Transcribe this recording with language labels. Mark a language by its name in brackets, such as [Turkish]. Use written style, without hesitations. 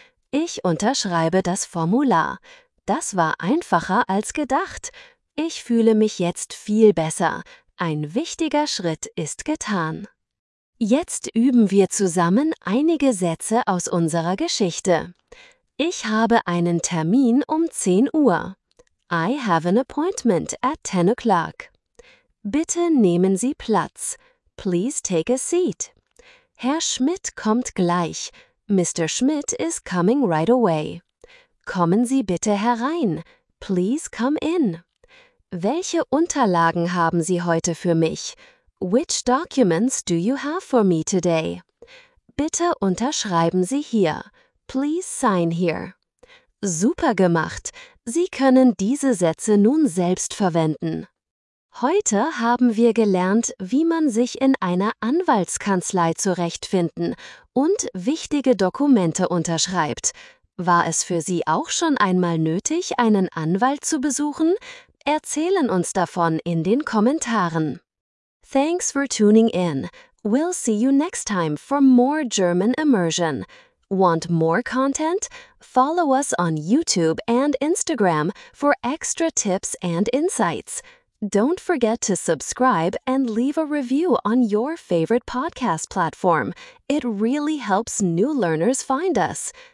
[German] Ich unterschreibe das Formular. Das war einfacher als gedacht. Ich fühle mich jetzt viel besser. Ein wichtiger Schritt ist getan. Jetzt üben wir zusammen einige Sätze aus unserer Geschichte. Ich habe einen Termin um 10 Uhr. [English] I have an appointment at 10 o'clock. [German] Bitte nehmen Sie Platz. [English] Please take a seat. [German] Herr Schmidt kommt gleich. [English] Mr. Schmidt is coming right away. Kommen Sie bitte herein. Please come in. [German] Welche Unterlagen haben Sie heute für mich? [English] Which documents do you have for me today? [German] Bitte unterschreiben Sie hier. [English] Please sign here. [German] Super gemacht! Sie können diese Sätze nun selbst verwenden. Heute haben wir gelernt, wie man sich in einer Anwaltskanzlei zurechtfinden und wichtige Dokumente unterschreibt. War es für Sie auch schon einmal nötig, einen Anwalt zu besuchen? Erzählen uns davon in den Kommentaren. [English] Thanks for tuning in. We'll see you next time for more German immersion. Want more content? Follow us on YouTube and Instagram for extra tips and insights. Don't forget to subscribe and leave a review on your favorite podcast platform. It really helps new learners find us.